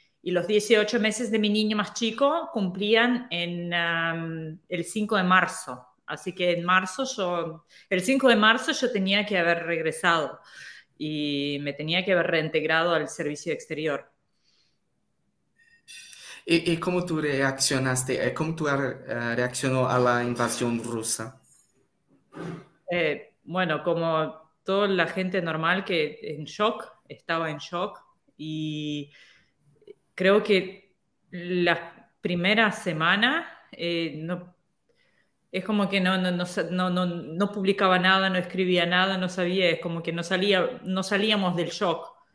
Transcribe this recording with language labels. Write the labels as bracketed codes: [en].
[es] Y los 18 meses de mi niño más chico cumplían en el 5 de marzo. Así que en marzo yo, el 5 de marzo yo tenía que haber regresado y me tenía que haber reintegrado al servicio exterior. [pt] E como tu reaccionaste? Como tu reaccionou à invasão russa? [es] Bueno, como toda la gente normal que en shock, estaba en shock y creo que la primera semana no, es como que no publicaba nada, no escribía nada, no sabía, es como que no salíamos del shock.